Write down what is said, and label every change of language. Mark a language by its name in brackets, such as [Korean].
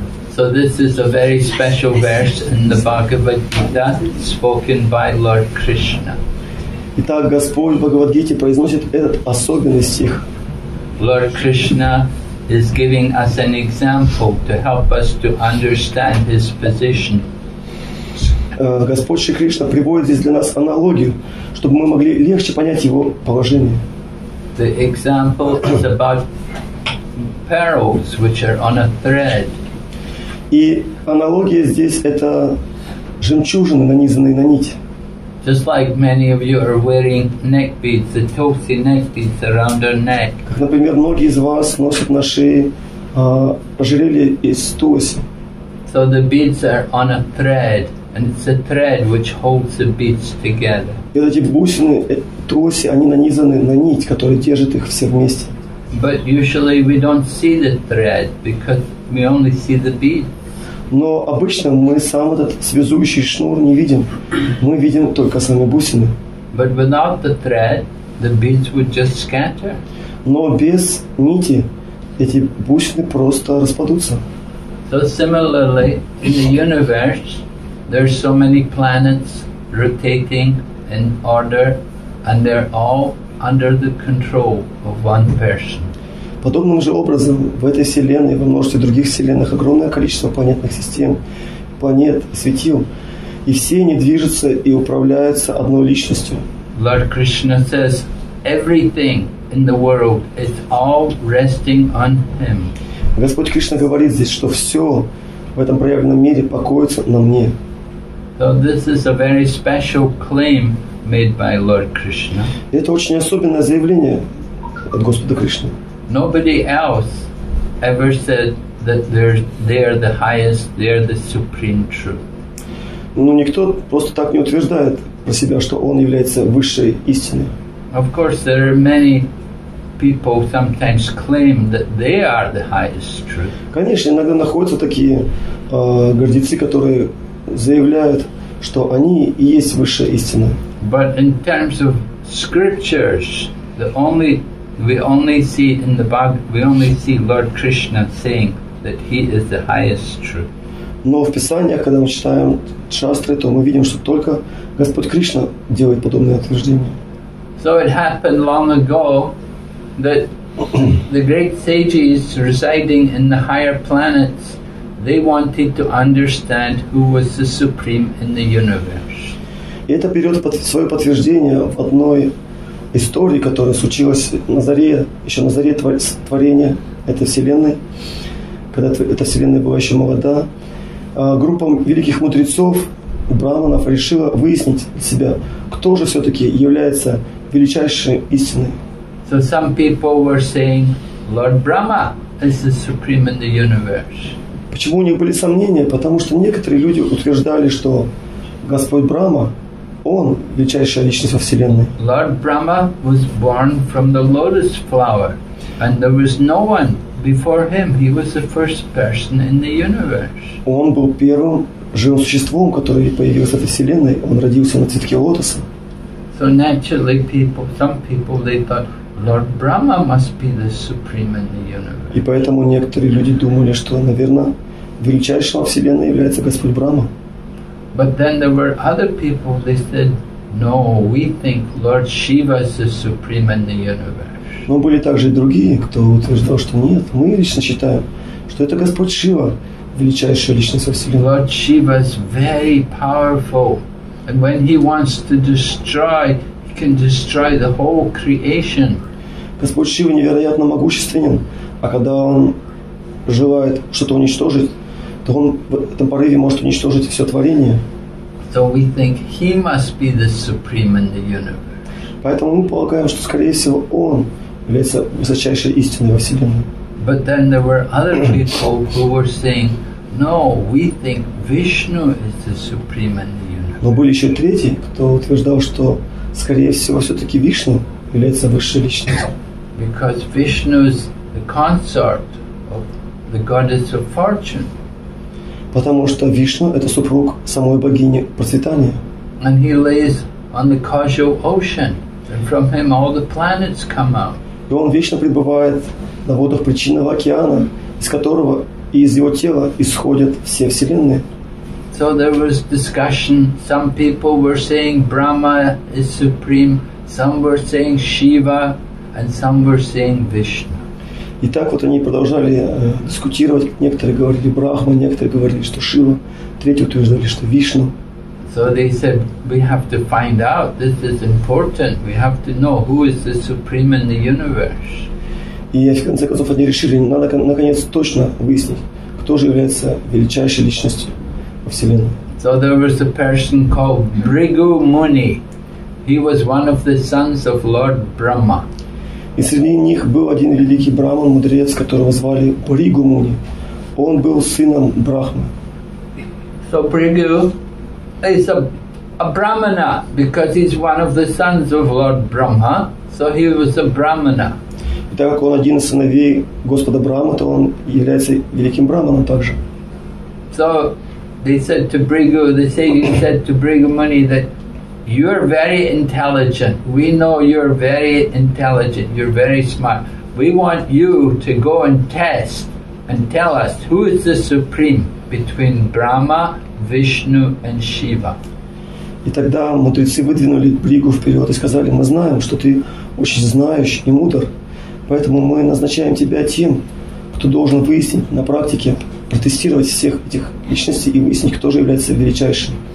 [English] So this is a very special verse in the Bhagavad Gita spoken by Lord Krishna. [Russian] Итак, Господь в Бхагавад Гите произносит этот особенный стих. [English] Lord Krishna is giving us an example to help us to understand his position. [Russian] Господь Кришна приводит здесь для нас аналогию, чтобы мы могли легче понять его положение. [English] The example is about pearls which are on a thread. [Russian] И аналогия здесь — это жемчужины, нанизанные на нить. [English] Just like many of you are wearing neck beads, the tulsi neck beads around our neck. [Russian] Как, например, многие из вас носят на шее ожерелье из тулси. [English] So the beads are on a thread, and it's a thread which holds the beads together. [Russian] И эти бусины, тулси, они нанизаны на нить, которая держит их все вместе. [English] But usually we don't see the thread because we only see the bead. [Russian] Но обычно мы сам этот связующий шнур не видим. Мы видим только сами бусины. [English] But without the thread, the beads would just scatter. [Russian] Но без нити эти бусины просто распадутся. [English] So similarly, in the universe, there are so many planets rotating in order, and they're all under the control of one person. [Russian] Подобным же образом в этой вселенной и во множестве других вселенных огромное количество планетных систем, планет, светил, и все они движутся и управляются одной личностью. [English] Lord Krishna says, everything in the world is all resting on Him. [Russian] Господь Кришна говорит здесь, что все в этом проявленном мире покоится на Мне. [English] So this is a very special claim made by Lord Krishna. [Russian] Это очень особенное заявление от Господа Кришны. [English] Nobody else ever said that they are the highest, they are the supreme truth. [Russian] Ну, никто просто так не утверждает про себя, что он является высшей истиной. [English] Of course, there are many people sometimes claim that they are the highest truth. [Russian] Конечно, иногда находятся такие гордецы, которые заявляют, что они и есть высшая истина. [English] But in terms of scriptures, the only We only see Lord Krishna saying that He is the highest truth. [Russian] Но в Писаниях, когда мы читаем шастры, то мы видим, что только Господь Кришна делает подобные утверждения. [English] So it happened long ago that the great sages residing in the higher planets, they wanted to understand who was the supreme in the universe. [Russian] И это берет свое подтверждение в одной истории, которая случилась на заре, еще на заре творения этой вселенной, когда эта вселенная была еще молода, группа великих мудрецов, браманов, решила выяснить для себя, кто же все-таки является величайшей истиной. [English] So some people were saying, Lord Brahma is the supreme in the universe. [Russian] Почему у них были сомнения? Потому что некоторые люди утверждали, что Господь Брахма — Он величайшая личность во вселенной. [English] Lord Brahma was born from the lotus flower, and there was no one before him. He was the first person in the universe. [Russian] Он был первым живым существом, которое появилось в этой вселенной. Он родился на цветке лотоса. [English] So naturally, some people they thought Lord Brahma must be the supreme in the universe. [Russian] И поэтому некоторые люди думали, что, наверное, величайшим во вселенной является Господь Брахма. [English] But then there were other people, they said, no, we think Lord Shiva is the supreme in the universe. [Russian] Но были также и другие, кто утверждал, что нет, мы лично считаем, что это Господь Шива, величайшая личность во вселенной. [English] Lord Shiva is very powerful. And when he wants to destroy, he can destroy the whole creation. [Russian] Господь Шива невероятно могущественен, а когда он желает что-то уничтожить, то он в этом порыве может уничтожить все творение. [English] So we think he must be the supreme in the universe. [Russian] Поэтому мы полагаем, что, скорее всего, он является высочайшей истиной во Вселенной. [English] But then there were other people who were saying, no, we think Vishnu is the supreme in the universe. [Russian] Но были еще третьи, кто утверждал, что, скорее всего, все-таки Вишну является высшей личностью. [English] Because Vishnu is the consort of the goddess of fortune. [Russian] Потому что Вишну — это супруг самой богини процветания. [English] And he lays on the causal ocean, and from him all the planets come out. [Russian] И он вечно пребывает на водах причинного океана, из которого и из его тела исходят все вселенные. [English] So there was discussion. Some people were saying Brahma is supreme, some were saying Shiva, and some were saying Vishnu. [Russian] И так вот они продолжали дискутировать. Некоторые говорили Брахма, некоторые говорили, что Шива, третьи утверждали, что Вишну. [English] So they said, we have to find out. This is important. We have to know who is the supreme in the universe. [Russian] И в конце концов они решили, надо наконец точно выяснить, кто же является величайшей личностью во Вселенной. [English] So there was a person called Bhrigu Muni. He was one of the sons of Lord Brahma. [Russian] И среди них был один великий браман, мудрец, которого звали Бригу Муни. Он был сыном Брахмы. [English] So Bhrigu is a brahmana because he's one of the sons of Lord Brahma. So he was a brahmana. [Russian] И так как он один из сыновей Господа Брахмы, то он является великим браманом также. [English] So they said to Bhrigu, the sages said to Bhrigu Muni that you are very intelligent. We know you are very intelligent. You're very smart. We want you to go and test and tell us who is the supreme between Brahma, Vishnu and Shiva. [Russian] И тогда мудрецы выдвинули Бригу вперед и сказали: мы знаем, что ты очень знающий и мудр, поэтому мы назначаем тебя тем, кто должен выяснить на практике, протестировать всех этих личностей и выяснить, кто же является величайшим.